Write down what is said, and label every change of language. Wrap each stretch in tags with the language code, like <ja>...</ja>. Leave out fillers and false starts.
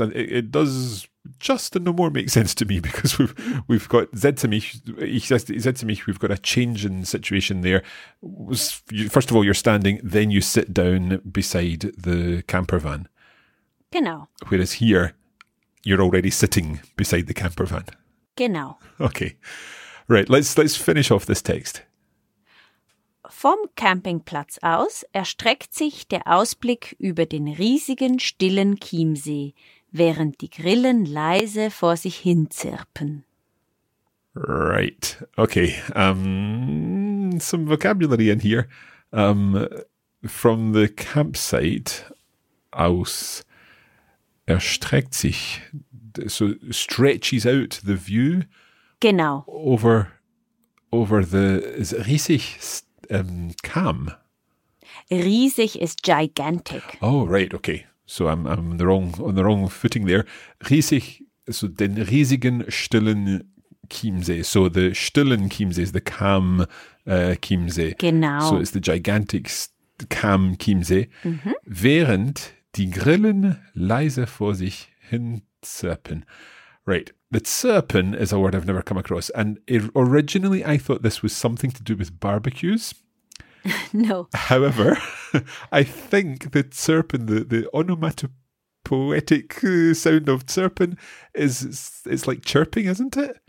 <en>It does just and no more make sense to me because we've got setze mich, ich setze mich, we've got a change in situation there. First of all, you're standing, then you sit down beside the camper van.</en> <de>Genau.</de> <en>Whereas here, you're already sitting beside the camper van.</en> <de>Genau.</de> <en>Okay, right, let's finish off this text.</en> <de>Vom Campingplatz aus erstreckt sich der Ausblick über den riesigen, stillen Chiemsee, während die Grillen leise vor sich hin zirpen.</de> <en>Right, okay. Some vocabulary in here. From the campsite</en> <de>aus erstreckt sich,</de> <en>so stretches out the view.</en> <de>Genau.</de> <en>Over the, is it riesig? Calm. Riesig is gigantic. Oh, right, okay. So I'm on the wrong footing there.</en> <de>Riesig, so den riesigen stillen Chiemsee.</de> <en>So the stillen Chiemsee is the calm Chiemsee.</en> <de>Genau.</de> <en>So it's the gigantic calm Chiemsee. Mm-hmm.</en> <de>Während die Grillen leise vor sich hin zirpen.</de> <en>Right. The zirpen is a word I've never come across. And originally I thought this was something to do with barbecues. No. However, I think the zirpen, the onomatopoetic sound of zirpen, is like chirping, isn't it?</en>